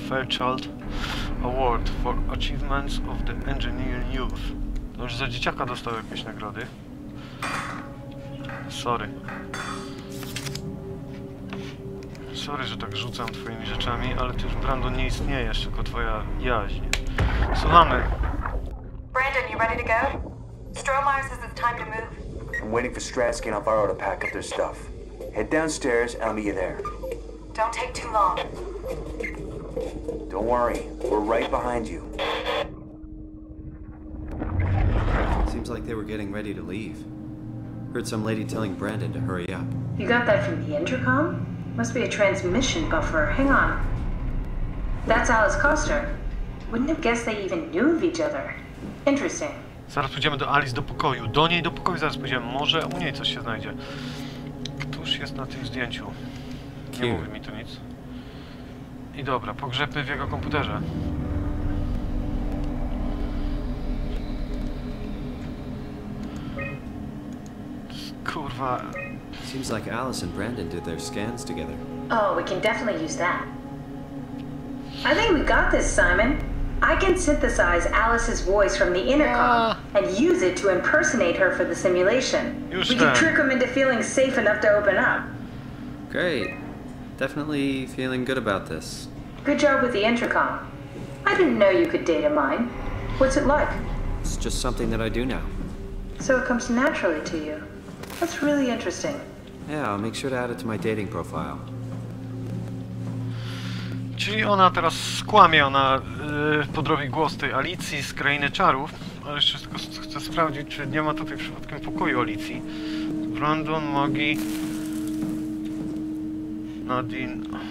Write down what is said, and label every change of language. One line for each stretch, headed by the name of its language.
English: Fairchild Award for Achievements of the Engineer Youth.
Polish: To już za dzieciaka dostał jakieś nagrody.
English: Sorry.
Polish: Sorry, że tak rzucam twoimi rzeczami, ale ty już, Brandon, nie istniejesz, tylko twoja jaźń. Słuchamy.
English: Brandon, you ready to go? Strohmeyer says it's time to move. I'm waiting for Stratsky and I'll borrow to pack up their stuff. Head downstairs, and I'll meet you there. Don't take too long. Don't worry, we're right behind you. Seems like they were getting ready to leave. Heard some lady telling Brandon to hurry up. You got that from the intercom? Must be a transmission buffer. Hang on. That's Alice Koster. Wouldn't have guessed they even knew of each other. Interesting.
Polish: Zaraz pójdziemy do Alice, do pokoju. Do niej, do pokoju zaraz pójdziemy. Może u niej coś się znajdzie. Któż jest na tym zdjęciu? Nie mówi mi tu nic. I dobra, pogrzebmy w jego komputerze. Kurwa.
English: Seems like Alice and Brandon did their scans together. Oh, we can definitely use that. I think we got this, Simon. I can synthesize Alice's voice from the intercom and use it to impersonate her for the simulation.
Polish: Już
English: we can trick him into feeling safe enough to open up. Great. Definitely feeling good about this. Good job with the intercom. I didn't know you could data mine. What's it like? It's just something that I do now. So it comes naturally to you. That's really interesting. Yeah, I'll make sure to add it to my dating profile.
Polish: Czyli ona teraz skłamie, ona podrobi głos tej Alicji z Krainy Czarów. Ale jeszcze tylko chcę sprawdzić, czy nie ma tutaj przypadkiem pokoju Alicji. Brandon, Magi, Nadine.